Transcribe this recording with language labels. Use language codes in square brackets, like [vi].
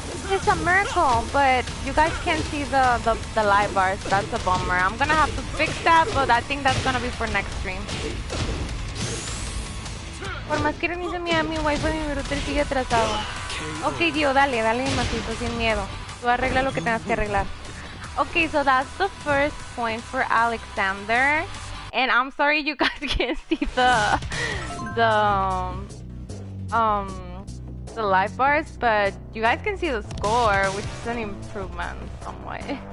[en] It's a miracle, but you guys can't see the live bars. That's a bummer. I'm gonna have to fix that, but I think that's gonna be for next stream. [es] Por más que reinicie mi Wi-Fi, mi router sigue atrasado. Ok, Dio, dale, dale, Matito, sin miedo. Tú arregla lo que tengas que arreglar. [en] Ok, so that's the first point for Alexander. And I'm sorry you guys can't see the life bars, but you guys can see the score, which is an improvement somewhat.